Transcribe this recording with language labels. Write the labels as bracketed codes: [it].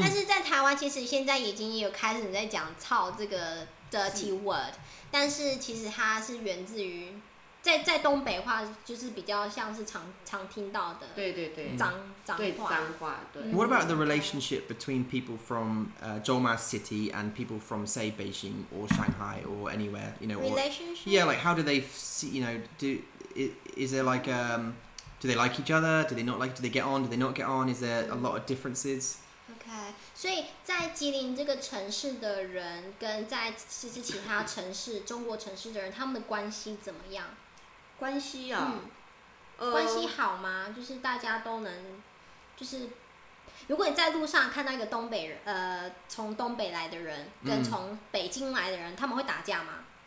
[zh] 但是在台湾，其实现在已经有开始在讲“操”这个 [en] dirty word， [zh] 但是其实它是源自于在东北话，就是比较像是常听到的。对对对，脏话。对。 [en] What about the relationship between people from Zhouma City and people from, say, Beijing or Shanghai or anywhere? You know, relationship. Yeah, like how do they see? You know, do is there like Do they like each other? Do they not like? Do they get on? Do they not get on? Is there a lot of differences? [zh] Okay, 所以在吉林这个城市的人跟在其他城市中国城市的人，他们的关系怎么样？关系啊，关系好吗？就是大家都能，就是如果你在路上看到一个东北人，从东北来的人跟从北京来的人，他们会打架吗？